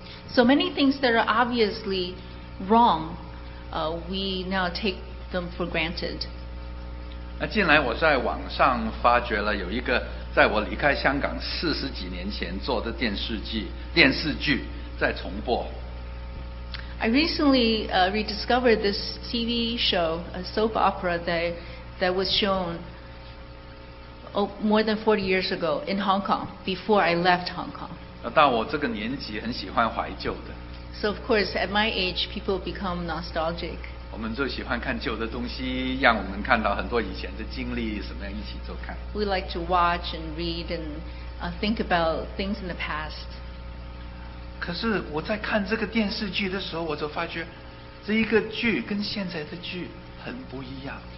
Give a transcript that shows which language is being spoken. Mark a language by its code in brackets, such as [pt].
[en] So many things that are obviously wrong, we now take them for granted. [zh] 那近来我在网上发觉了有一个在我离开香港四十几年前做的电视剧在重播。 [en] I recently rediscovered this TV show, a soap opera that was shown more than 40 years ago in Hong Kong, before I left Hong Kong. [zh] 到我这个年纪很喜欢怀旧的。 [en] So of course, at my age, people become nostalgic. [zh] 我们就喜欢看旧的东西，让我们看到很多以前的经历，什么样一起做看。 [en] We like to watch and read and think about things in the past. [zh] 可是我在看这个电视剧的时候，我就发觉这一个剧跟现在的剧很不一样。